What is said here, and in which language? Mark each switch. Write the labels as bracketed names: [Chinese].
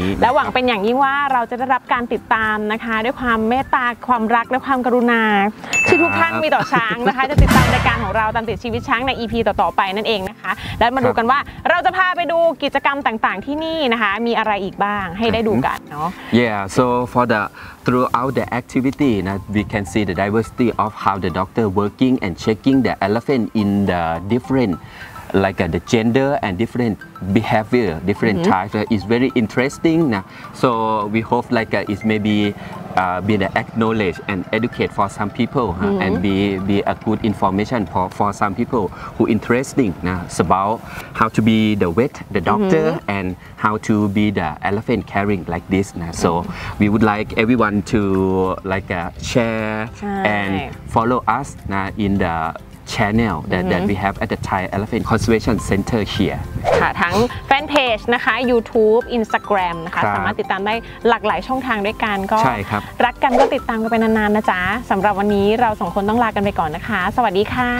[Thai] และหวังเป็นอย่างยิ่งว่าเราจะได้รับการติดตามนะคะด้วยความเมตตาความรักและความกรุณาที่ทุกท่านมีต่อช้างนะคะจะติดตามรายการของเราตามติดชีวิตช้างใน EP ต่อๆไปนั่นเองนะคะแล้วมาดูกันว่าเราจะพาไปดูกิจกรรมต่างๆที่นี่นะคะมีอะไรอีกบ้างให้ได้ดูกันเนาะ [English] Yeah so for theThroughout the activity, we can see the diversity of how the doctor working and checking the elephant in the different, like the gender and different behavior, different types. It's very interesting. So we hope like it's maybe be the acknowledge and educate for some people and be a good information for some people who interesting about how to be the vet, the doctor, and how to be the elephant caring like this. So we would like everyone to like share and follow us in the channel that we have at the Thai Elephant Conservation Center here. [Thai] ค่ะทั้งแฟนเพจนะคะ YouTube Instagram นะคะสามารถติดตามได้หลากหลายช่องทางด้วยกันก็ใช่ครับ รักกันก็ติดตามกันไปนานๆนะจ๊ะสำหรับวันนี้เราสองคนต้องลากันไปก่อนนะคะสวัสดีค่ะ